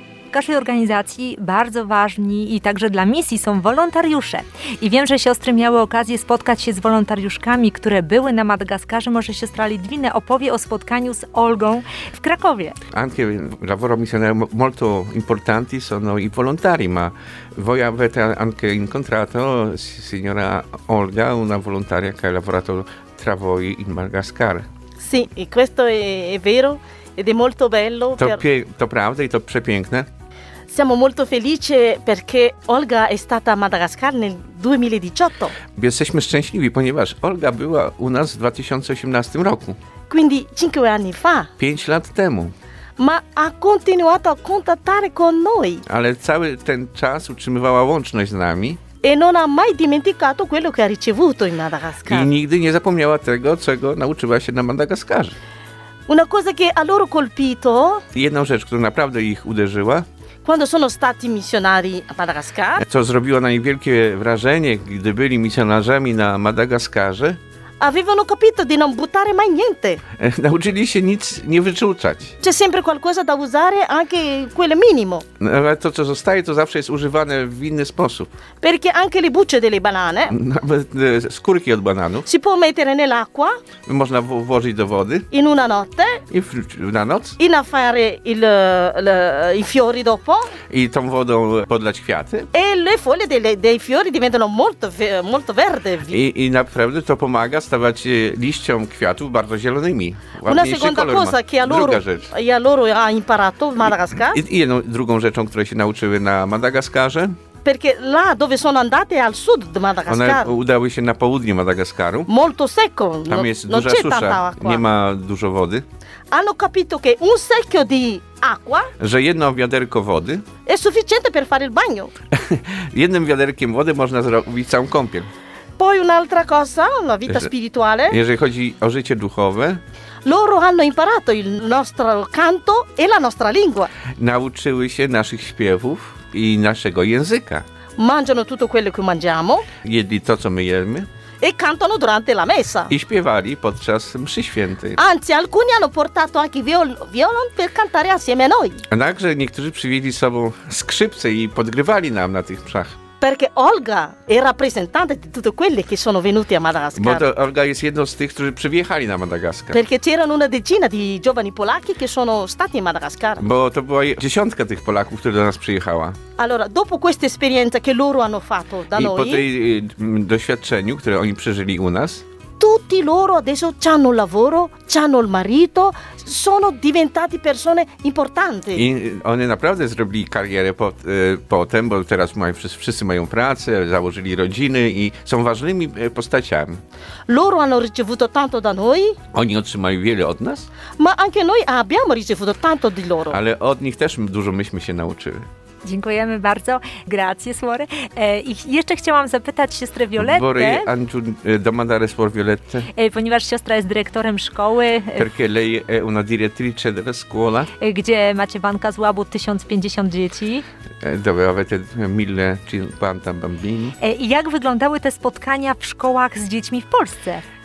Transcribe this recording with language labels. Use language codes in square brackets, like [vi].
[pl] każdej organizacji bardzo ważni i także dla misji są wolontariusze. I wiem, że siostry miały okazję spotkać się z wolontariuszkami, które były na Madagaskarze. Może siostra Lidwina opowie o spotkaniu z Olgą w Krakowie. [it] Anche lavoro missionario molto importanti sono i volontari, ma voi avete anche incontrato signora Olga, una volontaria che ha lavorato tra voi in Madagascar. Sì, e questo è vero. Ed è molto bello. [pl] To pravda i to przepiękne. [it] Siamo molto felici perché Olga è stata a Madagascar nel 2018. [pl] Jesteśmy szczęśliwi, ponieważ Olga była u nas w 2018 roku. [it] Quindi 5 anni fa. [pl] 5 lat temu. [it] Ma ha continuato a contattare con noi. [pl] Ale cały ten czas utrzymywała łączność z nami. [it] E non ha mai dimenticato quello che ha ricevuto in Madagascar. [pl] I nigdy nie zapomniała tego, czego nauczyła się na Madagaskarze. [it] Una cosa che a loro colpito. [pl] Jedną rzecz, która naprawdę ich uderzyła. [it] Quando sono stati missionari a Madagascar. [pl] Co zrobiło na nich wielkie wrażenie, gdy byli misjonarzami na Madagaskarze. [it] Avevano capito di non buttare mai niente. [pl] Nauczyli się nic nie wyrzucać. [it] C'è sempre qualcosa da usare, anche quel minimo. [pl] Nawet to, co zostaje, to zawsze jest używane w inny sposób. [it] Perché anche le bucce delle banane. [pl] Nawet skórki od bananów. [it] Si può mettere nell'acqua. [pl] Można włożyć do wody. [it] In una notte. [pl] I na noc. [it] I na fare i fiori dopo. [pl] I tą wodą podlać kwiaty. [it] E le foglie dei fiori diventano molto, molto verde. [pl] I naprawdę to pomaga. Stawać liścią kwiatów bardzo zielonymi. [it] Una seconda cosa che a loro, e a loro ha imparato w Madagascar. [pl] I jedną drugą rzeczą, której się nauczyły na Madagaskarze. [it] Perché là dove sono andate al sud di Madagascar. [pl] One udały się na południe Madagaskaru. [it] Molto secco. [pl] Tam jest duża susza. Nie ma dużo wody. [it] Hanno capito che un secchio di acqua. [pl] Że jedno wiaderko wody. [it] È sufficiente per fare il bagno. [pl] Jednym wiaderkiem wody można zrobić całą kąpiel. [it] Poi un'altra cosa, la vita spirituale. [pl] Jeżeli chodzi o życie duchowe. [it] Loro hanno imparato il nostro canto e la nostra lingua. [pl] Nauczyły się naszych śpiewów i naszego języka. [it] Mangiano tutto quello che mangiamo. [pl] Jedli to, co my jemy. [it] E cantano durante la messa. [pl] I śpiewali podczas mszy świętej. [it] Anzi, alcuni hanno portato anche violon per cantare assieme a noi. [pl] Także niektórzy przywieźli sobą skrzypce i podgrywali nam na tych mszach. [it] Perché Olga è rappresentante di tutti quelli che sono venuti a Madagascar. [pl] Bo to Olga jest jedną z tych, którzy przyjechali na Madagaskar. [it] Perché c'erano una decina di giovani polacchi che sono stati in Madagascar. [pl] Bo to była dziesiątka tych Polaków, którzy do nas przyjechała. [it] Allora, dopo questa esperienza che loro hanno fatto da I noi. [pl] I po tej doświadczeniu, które oni przeżyli u nas. [it] Tutti loro adesso hanno lavoro, hanno il marito, sono diventati persone importanti. [pl] I one naprawdę zrobili karierę potem, bo teraz wszyscy mają pracę, założyli rodziny i są ważnymi postaciami. [it] Loro hanno ricevuto tanto da noi. [pl] Oni otrzymali wiele od nas. [it] Ma anche noi abbiamo ricevuto tanto di loro. [pl] Ale od nich też dużo myśmy się nauczyli. Dziękujemy bardzo. [it] Grazie, suore. [pl] I jeszcze chciałam zapytać siostrę Violette. [it] Vorrei anche domandare suor Violette. [pl] Ponieważ siostra jest dyrektorem szkoły. [it] Perché lei è una direttrice della scuola. [pl] Gdzie macie banka z łabu 1050 dzieci. [it] Dove avete 1050 bambini. [pl] I jak wyglądały te spotkania w szkołach z dziećmi w Polsce?